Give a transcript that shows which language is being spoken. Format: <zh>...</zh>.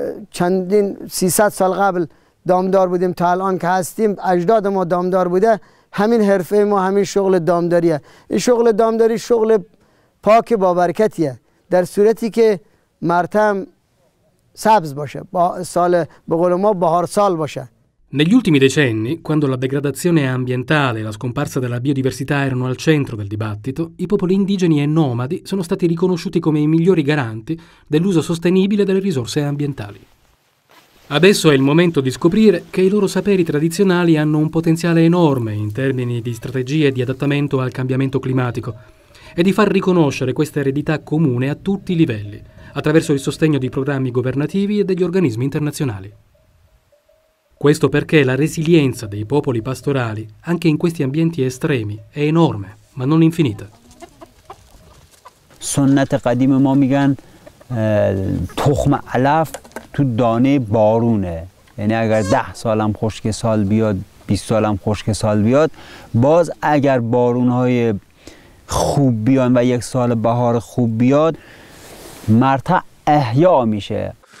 <fa>چندین 300 سال قبل دامدار بودیم تا الان که هستیم اجداد ما دامدار بوده همین حرفه ما همین شغل دامداریه این شغل دامداری شغل پاک با برکتیه در صورتی که مرتم سبز باشه با سال به قول ما بهار سال باشه</fa> <it>Negli ultimi decenni, quando la degradazione ambientale e la scomparsa della biodiversità erano al centro del dibattito, i popoli indigeni e nomadi sono stati riconosciuti come i migliori garanti dell'uso sostenibile delle risorse ambientali. Adesso è il momento di scoprire che i loro saperi tradizionali hanno un potenziale enorme in termini di strategie di adattamento al cambiamento climatico e di far riconoscere questa eredità comune a tutti i livelli, attraverso il sostegno di programmi governativi e degli organismi internazionali. Questo perché la resilienza dei popoli pastorali, anche in questi ambienti estremi, è enorme, ma non infinita.</it> <fa>سنت قدیم ما میگن تخم علف تو دانه بارونه یعنی اگر 10 سالم خشک سال بیاد 20 سالم خشک سال بیاد باز اگر بارونهای خوب بیان و یک سال بهار خوب بیاد مرتع احیا میشه</fa>